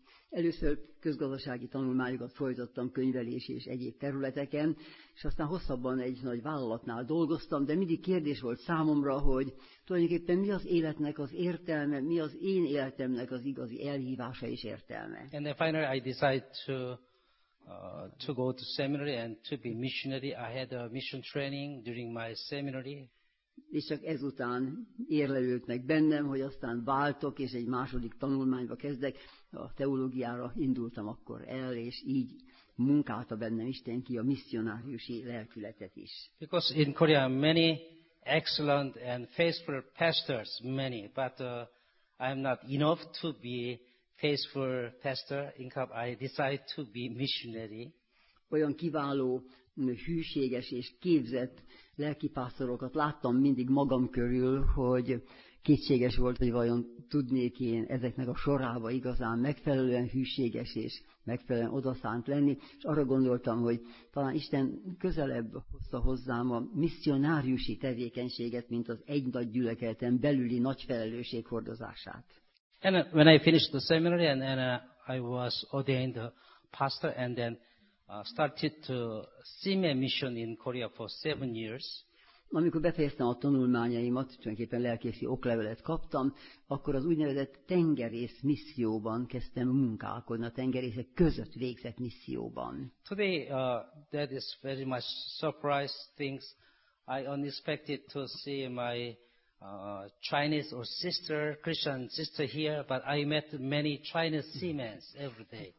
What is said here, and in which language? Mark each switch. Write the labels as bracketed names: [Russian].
[Hungarian] Először közgazdasági tanulmányokat folytattam könyvelési és egyéb területeken, és aztán hosszabban egy nagy vállalatnál dolgoztam, de mindig kérdés volt számomra, hogy tulajdonképpen mi az életnek az értelme, mi az én életemnek az igazi elhívása és értelme. [English] And then finally I decided to go to seminary and to be missionary. I had a mission training during my seminary. [Hungarian] És csak ezután érlelődött meg bennem, hogy aztán váltok, és egy második tanulmányba kezdek. A teológiára indultam akkor el, és így munkálta bennem Isten ki a misszionáriusi lelkületet is. [English] Because in Korea many excellent and faithful pastors, many, but I'm not enough to be faithful pastor income. I decide to be missionary. [Hungarian] Olyan kiváló, hűséges és képzett lelkipásztorokat láttam mindig magam körül, hogy kétséges volt, hogy vajon tudnék én ezeknek a sorába igazán megfelelően hűséges és megfelelően odaszánt lenni, és arra gondoltam, hogy talán Isten közelebb hozza hozzám a misszionáriusi tevékenységet, mint az egy nagy gyülekezeten belüli nagy felelősség hordozását. [English] And when I finished the seminary and I was ordained a pastor and then started to see mission in Korea for 7 years. [Hungarian] Amikor befejeztem a tanulmányaimat, tulajdonképpen lelkészi oklevelet kaptam, akkor az úgynevezett tengerész misszióban kezdtem munkálkodni, a tengerészek között végzett misszióban. [English] Today, that is very much surprise things. I unexpected to see my Chinese or sister, Christian sister here, but I met many Chinese seamen every day.